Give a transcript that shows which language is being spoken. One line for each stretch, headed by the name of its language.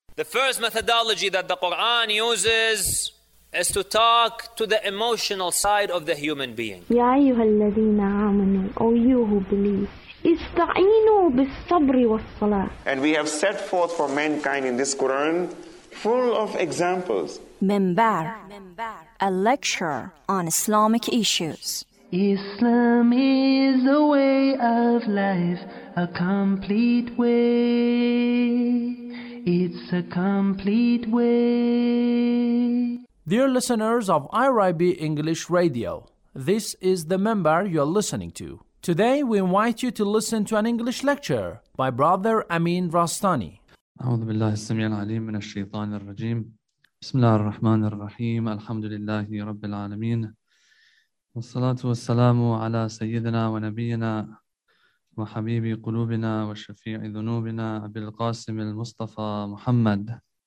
English: The first methodology that the Quran uses is to talk to the emotional side of the human being.
Arabic: يا أيها الذين آمنوا,
English: O you who believe,
Arabic: استعينوا بالصبر والصلاة.
English: And we have set forth for mankind in this Quran full of examples. Minbar, a lecture on Islamic issues. Islam is a way of life, a complete way. It's a complete way. Dear listeners of IRIB English Radio, this is the Minbar you are listening to. Today we invite you to listen to an English lecture by Brother Amin Rastani.
Arabic: أعوذ بالله السميع العليم من الشيطان الرجيم. بسم الله الرحمن الرحيم. الحمد لله رب العالمين. والصلاة والسلام على سيدنا ونبينا وحبيب قلوبنا وشفيع ذنوبنا أبي القاسم المصطفى محمد.